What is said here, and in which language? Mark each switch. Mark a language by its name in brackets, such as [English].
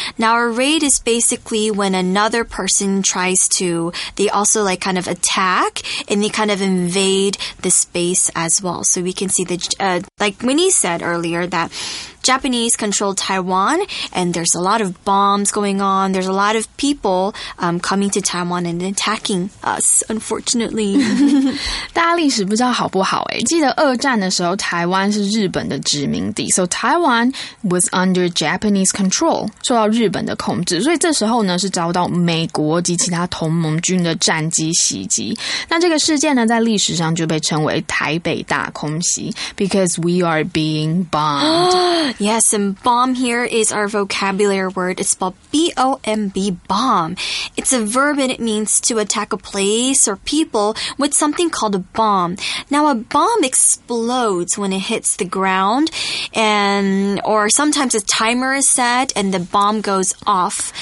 [English] Now, a raid is basically when another person tries to, they also like kind of attack and they kind of invade the space as well. So we can see that, like Winnie said earlier, that Japanese control Taiwan and there's a lot of bombs going on. There's a lot of people coming to Taiwan and attacking us, unfortunately. [Chinese] 大家历史不知道好不好诶。记得二战的时候台湾是日本的殖民地。 [English] So Taiwan was under Japanese control, [Chinese] 受到日本的控制。所以这时候呢是遭到美国及其他同盟军的战机袭击。那这个事件呢在历史上就被称为台北大空袭。 [English] Because we are being bombed. Yes, and bomb here is our vocabulary word. It's spelled B-O-M-B, bomb. It's a verb and it means to attack a place or people with something called a bomb. Now, a bomb explodes when it hits the ground, or sometimes a timer is set and the bomb goes off.